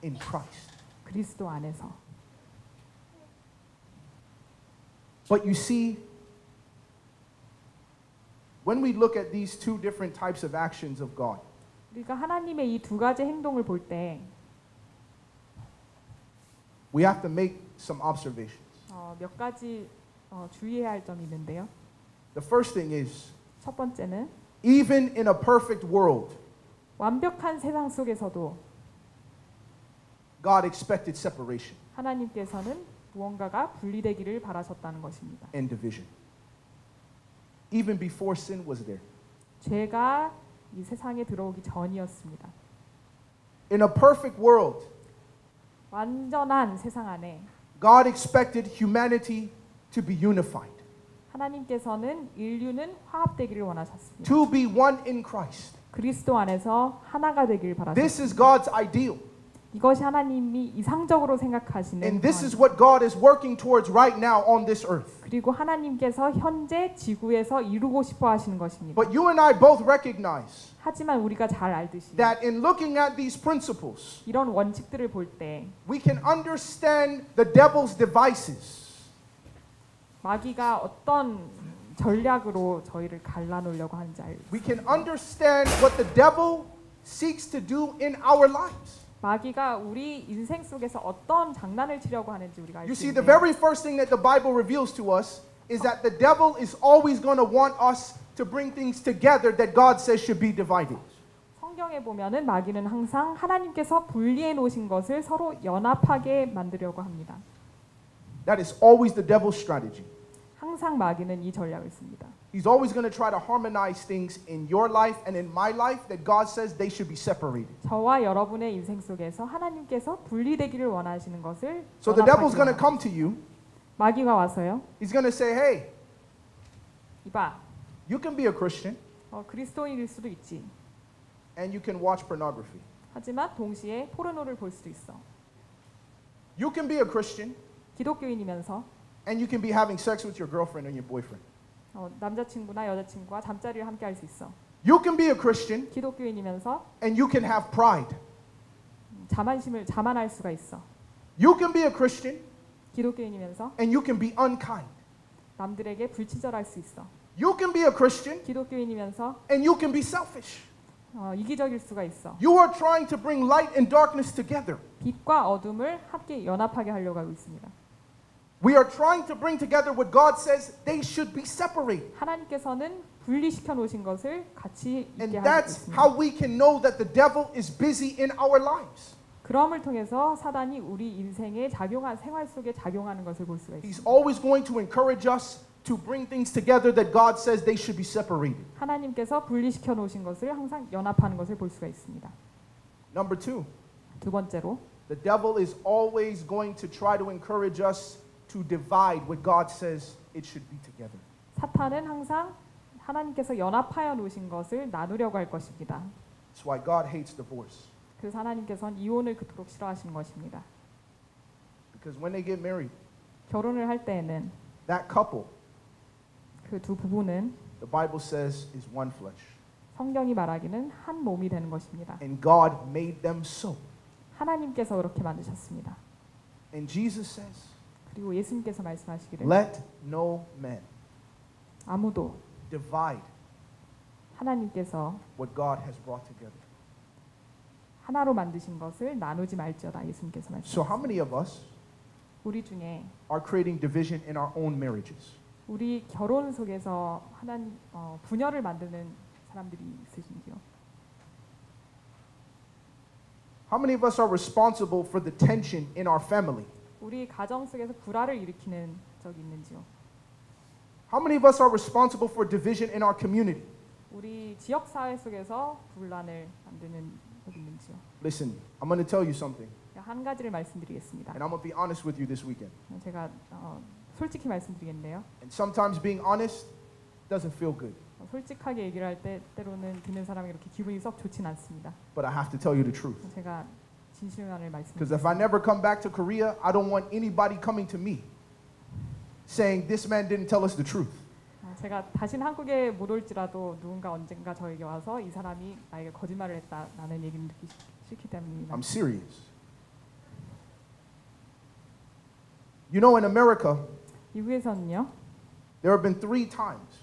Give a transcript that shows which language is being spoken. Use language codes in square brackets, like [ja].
[en] In Christ. [ko] 그리스도 안에서. [en] But you see, when we look at these two different types of actions of God, [ko] 우리가 하나님의 이 두 가지 행동을 볼 때, [en] we have to make some observations. [ko] 몇 가지 주의해야 할 점이 있는데요. [en] The first thing is, [ko] 첫 번째는, [en] even in a perfect world, [ko] 완벽한 세상 속에서도, [en] God expected separation. [ko] 하나님께서는 무언가가 분리되기를 바라셨다는 것입니다. [en] And division. Even before sin was there. [ko] 죄가 이 세상에 들어오기 전이었습니다. [en] In a perfect world. [ko] 완전한 세상 안에. [en] God expected humanity to be unified. [ko] 하나님께서는 인류는 화합되기를 원하셨습니다. [en] To be one in Christ. [ko] 그리스도 안에서 하나가 되기를 바라셨습니다. [en] This is God's ideal. [ko] 이것이 하나님이 이상적으로 생각하시는 [en] And this is what God is working towards right now on this earth. [ko] 그리고 하나님께서 현재 지구에서 이루고 싶어 하시는 것입니다. [en] But you and I both recognize [ko] 하지만 우리가 잘 알듯이 [en] that in looking at these principles [ko] 이런 원칙들을 볼 때 [en] we can understand the devil's devices. [ko] 마귀가 어떤 전략으로 저희를 갈라놓으려고 하는지 알 [en] We can understand what the devil seeks to do in our lives. [ko] 마귀가 우리 인생 속에서 어떤 장난을 치려고 하는지 우리가 알 [en] You see, the very first thing that the Bible reveals to us is that the devil is always going to want us to bring things together that God says should be divided. [ko] 성경에 보면은 마귀는 항상 하나님께서 분리해 놓으신 것을 서로 연합하게 만들려고 합니다. [en] That is always the devil's strategy. [ko] 항상 마귀는 이 전략을 씁니다. [en] He's always going to try to harmonize things in your life and in my life that God says they should be separated. [ko] 저와 여러분의 인생 속에서 하나님께서 분리되기를 원하시는 것을 [en] So the devil's going to come to you. [ko] 마귀가 와서요. [en] He's going to say, "Hey. [ko] 이봐. [en] You can be a Christian. [ko] 그리스도인일 수도 있지. [en] And you can watch pornography. [ko] 하지만 동시에 포르노를 볼 수도 있어. [en] You can be a Christian. [ko] 기독교인이면서 [en] And you can be having sex with your girlfriend and your boyfriend. [ko] 남자친구나 여자친구와 잠자리를 함께 할 수 있어. [en] You can be a Christian. [ko] 기독교인이면서. [en] And you can have pride. [ko] 자만할 수가 있어. [en] You can be a Christian. [ko] 기독교인이면서. [en] And you can be unkind. [ko] 남들에게 불친절할 수 있어. [en] You can be a Christian. [ko] 기독교인이면서. [en] And you can be selfish. [ko] 이기적일 수가 있어. [en] You are trying to bring light and darkness together. [ko] 빛과 어둠을 함께 연합하게 하려고 하고 있습니다. [en] We are trying to bring together what God says they should be separate. [ko] 하나님께서는 분리시켜 놓으신 것을 같이 있게 하고 [en] And that's how we can know that the devil is busy in our lives. [ko] 그럼을 통해서 사단이 우리 인생에 작용한 생활 속에 작용하는 것을 볼 수가 있습니다. [en] He's always going to encourage us to bring things together that God says they should be separated. [ko] 하나님께서 분리시켜 놓으신 것을 항상 연합하는 것을 볼 수가 있습니다. [en] Number two. [ko] 두 번째로. [en] The devil is always going to try to encourage us to divide what God says it should be together. [ko] 사탄은 항상 하나님께서 연합하여 놓으신 것을 나누려고 할 것입니다. [en] That's why God hates divorce. [ko] 그래서 하나님께서는 이혼을 그토록 싫어하시는 것입니다. [en] Because when they get married, [ko] 결혼을 할 때에는 [en] that couple, [ko] 그 두 부부는 [en] the Bible says is one flesh. [ko] 성경이 말하기는 한 몸이 되는 것입니다. [en] And God made them so. [ko] 하나님께서 그렇게 만드셨습니다. [en] And Jesus says, [ko] 그리고 예수님께서 말씀하시기를 [en] let no man [ko] 아무도 [en] divide [ko] 하나님께서 [en] what God has brought together. [ko] 하나로 만드신 것을 나누지 말지어다 예수님께서 말씀하셨습니다. [en] So how many of us [ko] 우리 중에 [en] are creating division in our own marriages? [ko] 우리 결혼 속에서 하나님 분열을 만드는 사람들이 있으신지요? [en] How many of us are responsible for the tension in our family? [ko] 우리 가정 속에서 불화를 일으키는 적이 있는지요? [en] How many of us are responsible for division in our community? [ko] 우리 지역 사회 속에서 분란을 만드는 적이 있는지요? [en] Listen, I'm going to tell you something. [ko] 한 가지를 말씀드리겠습니다. [en] And I'm going to be honest with you this weekend. [ko] 제가 솔직히 말씀드리겠네요. [en] And sometimes being honest doesn't feel good. [ko] 솔직하게 얘기를 할 때 때로는 듣는 사람이 이렇게 기분이 썩 좋진 않습니다. [en] But I have to tell you the truth. [ko] 제가 진실을 말씀드립니다. [en] Because if I never come back to Korea, I don't want anybody coming to me saying this man didn't tell us the truth. [ko] 제가 다시 한국에 못 올지라도 누군가 언젠가 저에게 와서 이 사람이 나에게 거짓말을 했다 라는 얘기를 듣기 싫기 때문입니다. [en] I'm serious. You know, in America, [ko] 미국에서는요, [en] there have been three times